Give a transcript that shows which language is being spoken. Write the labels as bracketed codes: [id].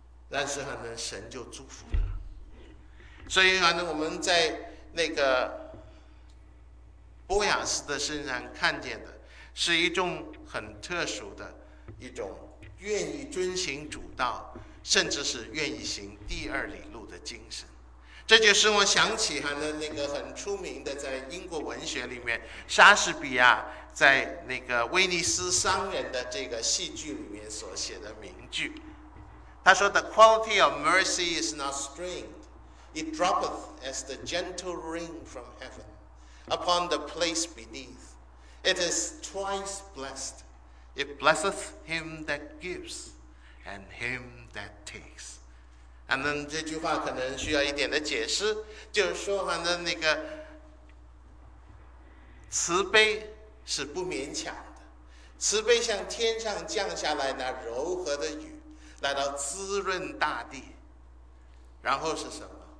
[zh] 但是神就祝福他。所以我们在那个波亚斯的身上看见的是一种很特殊的一种愿意遵循主道，甚至是愿意行第二里路的精神。这就是我想起他的那个很出名的，在英国文学里面，莎士比亚在那个威尼斯商人的这个戏剧里面所写的名句。他说 [en] The quality of mercy is not strained. It droppeth as the gentle rain from heaven upon the place beneath. It is twice blessed. It blesseth him that gives and him that takes. [zh] 反正这句话可能需要一点的解释，就是说反正那个慈悲是不勉强的，慈悲像天上降下来那柔和的雨来到滋润大地，然后是什么？